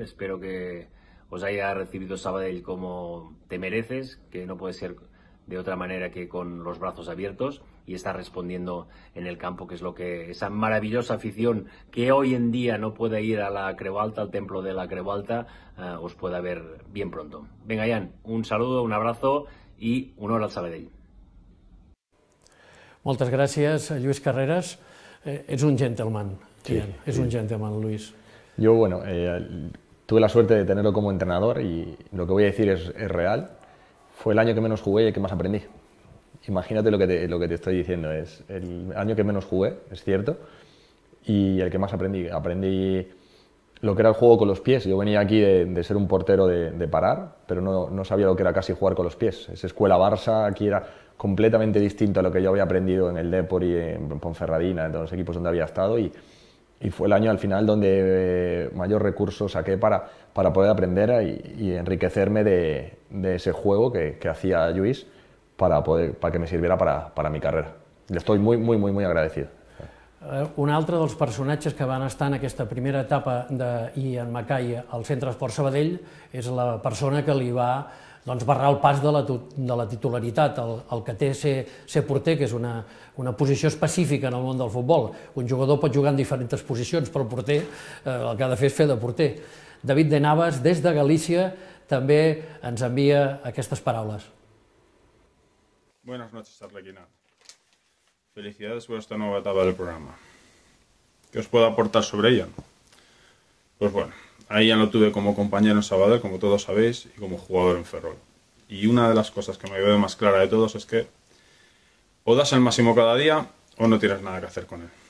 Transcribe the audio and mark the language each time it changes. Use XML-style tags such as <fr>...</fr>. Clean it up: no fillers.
<es>Espero que os haya recibido Sabadell como te mereces, que no puede ser de otra manera que con los brazos abiertos y estar respondiendo en el campo, que es lo que esa maravillosa afición que hoy en día no puede ir a la Creu Alta, al templo de la Creu Alta, os pueda ver bien pronto. Venga, Jan, un saludo, un abrazo y un hora al Sabadell.</es> <ca>Moltes gràcies, Lluís Carreras. Ets un gentleman, sí, Jan. És sí. Un gentleman, Lluís.</ca> <es>Jo, bueno, tuve la suerte de tenerlo como entrenador y lo que voy a decir es real. Fue el año que menos jugué y el que más aprendí. Imagínate lo que te estoy diciendo. Es el año que menos jugué, es cierto, y el que más aprendí. Aprendí lo que era el juego con los pies. Yo venía aquí de ser un portero de parar, pero no sabía lo que era casi jugar con los pies. Esa escuela Barça aquí era completamente distinto a lo que yo había aprendido en el Depor y en Ponferradina, en todos los equipos donde había estado. Y fue el año al final donde mayor recurso saqué para poder aprender y enriquecerme de ese juego que hacía Lluís para que me sirviera para mi carrera. Le estoy muy, muy, muy, muy agradecido.</es> <ca>Un altre dels personatges que van estar en aquesta primera etapa d'Ian Mackay al Centre Esport Sabadell és la persona que li va doncs barrar el pas de la titularitat, el que té ser porter, que és una posició específica en el món del futbol. Un jugador pot jugar en diferents posicions, però el porter el que ha de fer és fer de porter. David de Navas, des de Galícia, també ens envia aquestes paraules.</ca> <es>Buenas noches, Arlequina. Felicidades por esta nueva etapa del programa. ¿Qué os puedo aportar sobre ella? Pues bueno, ahí ya lo tuve como compañero en Sabadell, como todos sabéis, y como jugador en Ferrol. Y una de las cosas que me veo más clara de todos es que o das el máximo cada día o no tienes nada que hacer con él.</es>